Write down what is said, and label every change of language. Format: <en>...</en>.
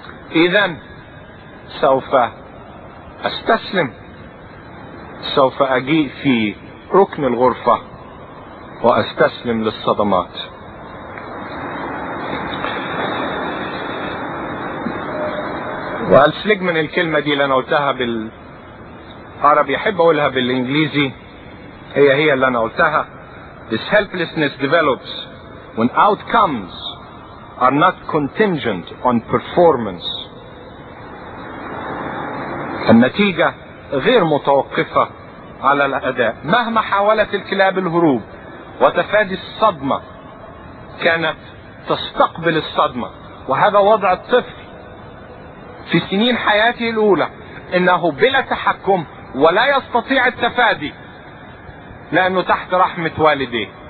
<ar>إذا سوف أستسلم، سوف أجيء في ركن الغرفة وأستسلم للصدمات. وقال سليجمان الكلمة دي اللي أنا قلتها عربي احب اقولها بالانجليزي, هي هي اللي انا قلتها.</ar> <en>This helplessness develops when outcomes are not contingent on performance.</en> <ar>النتيجة غير متوقفة على الأداء. مهما حاولت الكلاب الهروب وتفادي الصدمة كانت تستقبل الصدمة. وهذا وضع الطفل في سنين حياته الأولى, إنه بلا تحكم ولا يستطيع التفادي لأنه تحت رحمة والديه.</ar>